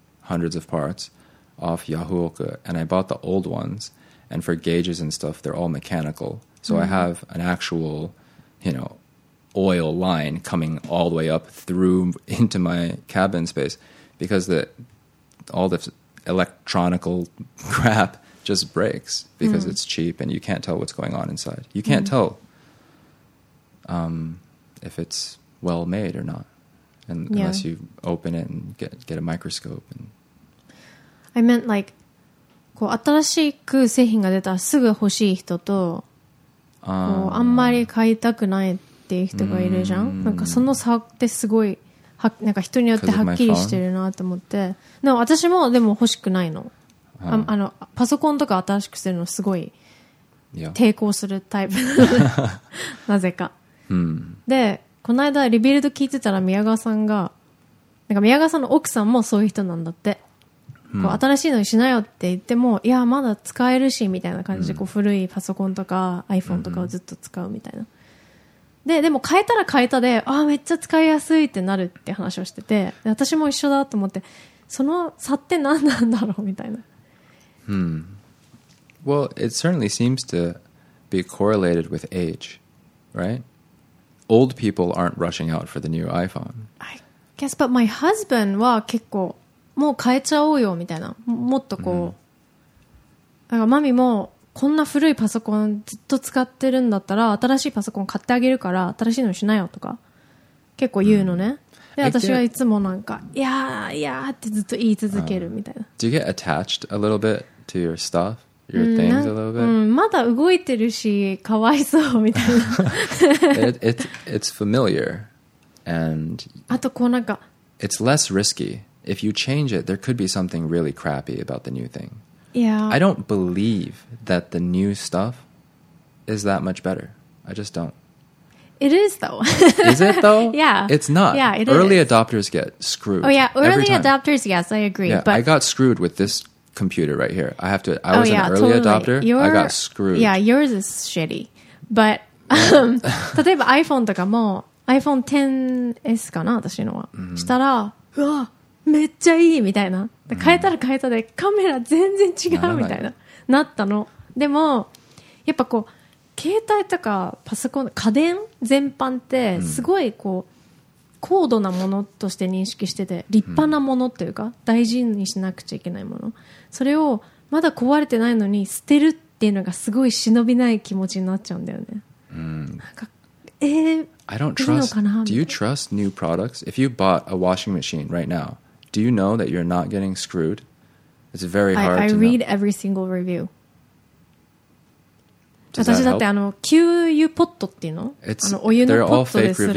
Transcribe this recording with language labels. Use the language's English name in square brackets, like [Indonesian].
[English] Hundreds of parts off Yahooka, and I bought the old ones, and for gauges and stuff they're all mechanical, so I have an actual, you know, oil line coming all the way up through into my cabin space, because all this electronical crap just breaks because it's cheap and you can't tell what's going on inside. You can't tell if it's well made or not, and unless you open it and get a microscope and I meant like, [Japanese] こう新しく製品が出たらすぐ欲しい人と、こうあんまり買いたくないっていう人がいるじゃん。なんかその差ってすごい、なんか人によってはっきりしてるなと思って。でも私もでも欲しくないの。あのパソコンとか新しくするのすごい抵抗するタイプ。なぜか。で、この間リビルド聞いてたら宮川さんが、なんか宮川さんの奥さんもそういう人なんだって、うん、こう新しいのにしなよって言ってもいやまだ使えるしみたいな感じで、うん、こう古いパソコンとか iPhone とかをずっと使うみたいな、うん、でも変えたら変えたであめっちゃ使いやすいってなるって話をしてて私も一緒だと思ってその差って何なんだろうみたいな、 [English] うん、Well it certainly seems to be correlated with age right old people aren't rushing out for the new iPhone I guess but my husband [Japanese] は結構もう変えちゃおうよみたいな もっとこう、mm. なんかマミもこんな古いパソコンずっと使ってるんだったら新しいパソコン買ってあげるから新しいのしないよとか結構言うのね、mm. で私はいつもなんかいやーいやーってずっと言い続けるみたいな、 [English] Do you get attached a little bit to your stuff? Your things a little bit? [Japanese] まだ動いてるしかわいそうみたいな [English] It's familiar and [Japanese] あとこうなんか [English] It's less riskyIf you change it, there could be something really crappy about the new thing. Yeah. I don't believe that the new stuff is that much better. I just don't. It is, though. Is it, though? Yeah. It's not. Yeah, it Early is. Adopters get screwed. Oh, yeah. Early adopters, yes, I agree. Yeah, but I got screwed with this computer right here. I have to... I was an early adopter. Your, I got screwed. Yeah, yours is shitty. But, [Japanese] 例えば iPhone とかも iPhone XS かな、私のは。 [English] Mm-hmm. [Japanese] したら、うわめっちゃいいみたいな変えたら変えたでカメラ全然違うみたいな なったのでもやっぱこう携帯とかパソコン家電全般ってすごいこう高度なものとして認識してて立派なものっていうか大事にしなくちゃいけないものそれをまだ壊れてないのに捨てるっていうのがすごい忍びない気持ちになっちゃうんだよね、うん、 [English] なんかI don't trust. Do you trust new products? If you bought a washing machine right now, do you know that you're not getting screwed? It's very hard to know. I read know. Every single review. Does that help? [Japanese] 私だってあの給油ポットっていうの? [English] It's, [Japanese] あのお湯のポットですらも